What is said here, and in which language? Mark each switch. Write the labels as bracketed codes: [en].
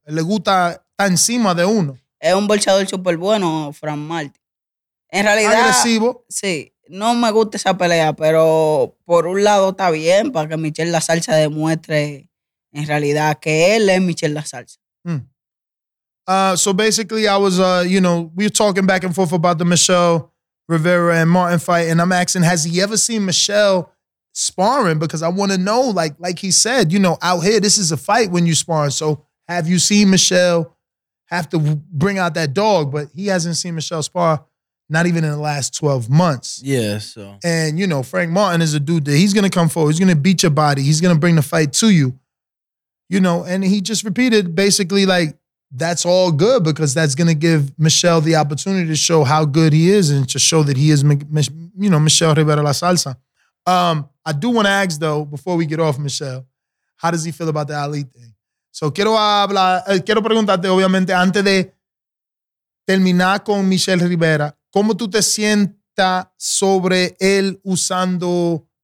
[es] Él le gusta estar encima de uno. Es un boxeador súper bueno, Frank Martin. En realidad. Agresivo. Sí. No me gusta esa pelea, pero por un lado está bien para que Michelle La Salsa demuestre en realidad que él es Michelle La Salsa. Mm. [en] So basically, I was, you know, we were talking back and forth about the Michelle Rivera and Martin fight, and I'm asking, has he ever seen Michelle sparring? Because I want to know, like he said, you know, out here, this is a fight when you spar. So have you seen Michelle have to bring out that dog? But he hasn't seen Michelle spar. Not even in the last 12 months. Yeah, so. And, you know, Frank Martin is a dude that he's going to come forward. He's going to beat your body. He's going to bring the fight to you. You know, and he just repeated basically, like, that's all good because that's going to give Michelle the opportunity to show how good he is and to show that he is, you know, Michelle Rivera La Salsa. I do want to ask, though, before we get off, Michelle, how does he feel about the Ali thing? [es] So, quiero preguntarte, obviamente, antes de terminar con Michelle Rivera, ¿cómo tú te sientas sobre él usando